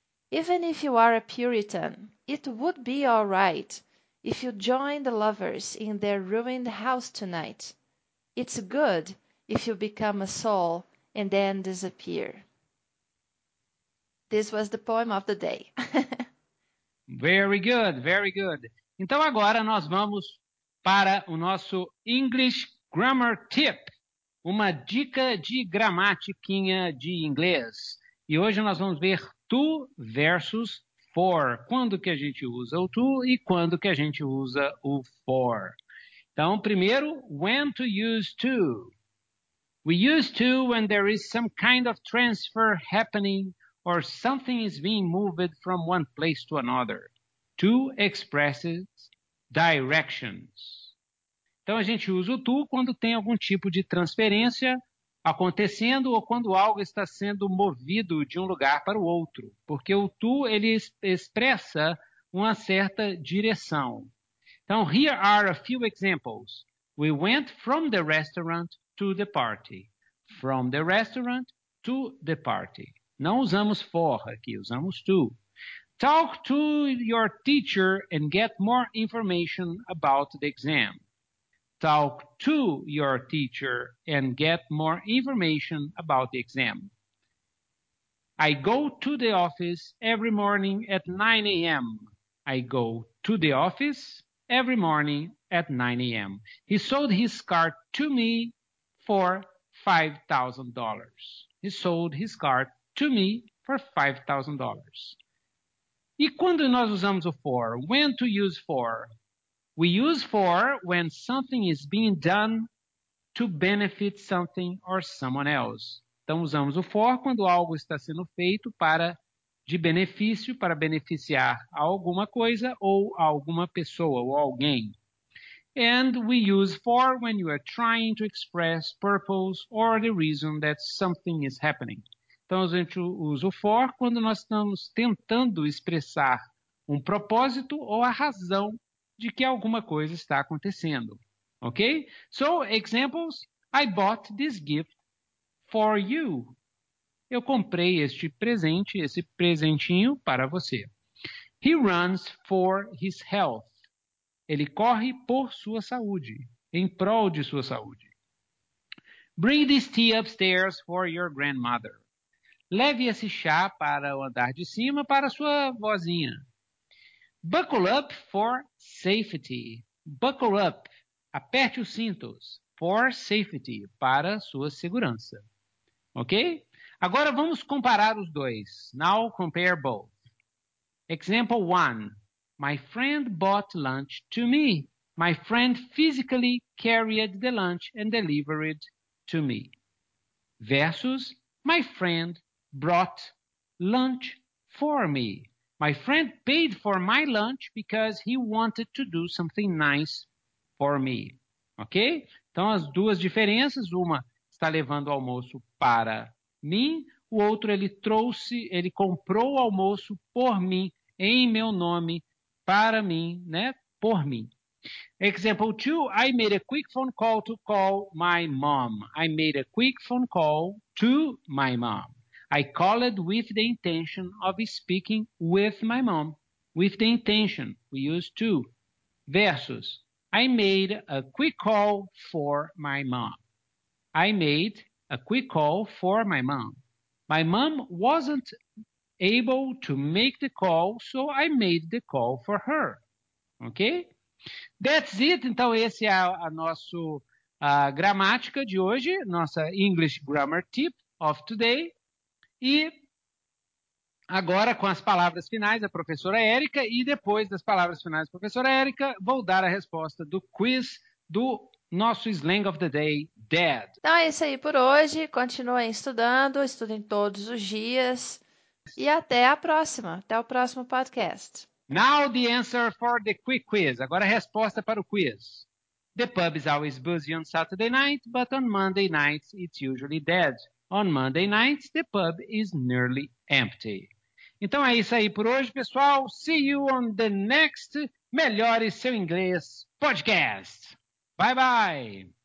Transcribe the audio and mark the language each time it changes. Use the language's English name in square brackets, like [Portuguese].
[English] Even if you are a Puritan, it would be all right if you join the lovers in their ruined house tonight. It's good if you become a soul and then disappear. This was the poem of the day. Very good, very good. [Portuguese] Então agora nós vamos para o nosso English Grammar Tip. Uma dica de gramatiquinha de inglês. E hoje nós vamos ver to versus for. Quando que a gente usa o to e quando que a gente usa o for. Então, primeiro, [English] when to use to. We use to when there is some kind of transfer happening or something is being moved from one place to another. To expresses directions. [Portuguese] Então, a gente usa o to quando tem algum tipo de transferência acontecendo ou quando algo está sendo movido de um lugar para o outro. Porque o to, ele expressa uma certa direção. Então, [English] here are a few examples. We went from the restaurant to the party. From the restaurant to the party. [Portuguese] Não usamos for aqui, usamos to. [English] Talk to your teacher and get more information about the exam. Talk to your teacher and get more information about the exam. I go to the office every morning at 9 a.m. I go to the office every morning at 9 a.m. He sold his car to me for $5,000. He sold his car to me for $5,000. [Portuguese] E quando nós usamos o for? [English] When to use for? We use for when something is being done to benefit something or someone else. [Portuguese] Então, usamos o for quando algo está sendo feito para de benefício, para beneficiar alguma coisa ou alguma pessoa ou alguém. [English] And we use for when you are trying to express purpose or the reason that something is happening. [Portuguese] Então, a gente usa o for quando nós estamos tentando expressar um propósito ou a razão de que alguma coisa está acontecendo. [English] Ok? So, examples. I bought this gift for you. [Portuguese] Eu comprei este presente, esse presentinho para você. [English] He runs for his health. [Portuguese] Ele corre por sua saúde, em prol de sua saúde. [English] Bring this tea upstairs for your grandmother. [Portuguese] Leve esse chá para o andar de cima para sua vozinha. [English] Buckle up for safety. Buckle up. [Portuguese] Aperte os cintos. [English] For safety. [Portuguese] Para sua segurança. Ok? Agora vamos comparar os dois. [English] Now compare both. Example 1. My friend bought lunch to me. My friend physically carried the lunch and delivered it to me. Versus my friend brought lunch for me. My friend paid for my lunch because he wanted to do something nice for me. Ok? [Portuguese] Então, as duas diferenças. Uma está levando o almoço para mim. O outro, ele comprou o almoço por mim, em meu nome, para mim, né? Por mim. [English] Example 2. I made a quick phone call to call my mom. I made a quick phone call to my mom. I called with the intention of speaking with my mom. With the intention. We use to. Versus. I made a quick call for my mom. I made a quick call for my mom. My mom wasn't able to make the call, so I made the call for her. Ok? That's it. [Portuguese] Então, esse é a nossa gramática de hoje. Nossa [English] English grammar tip of today. [Portuguese] E agora, com as palavras finais da professora Érica, e depois das palavras finais da professora Érica, vou dar a resposta do quiz do nosso Slang of the Day, Dad. Então, é isso aí por hoje. Continuem estudando, estudem todos os dias. E até a próxima. Até o próximo podcast. [English] Now the answer for the quick quiz. [Portuguese] Agora a resposta para o quiz. [English] The pub is always busy on Saturday night, but on Monday nights it's usually dead. On Monday nights, the pub is nearly empty. [Portuguese] Então é isso aí por hoje, pessoal. [English] See you on the next [Portuguese] Melhore Seu Inglês podcast. [English] Bye-bye.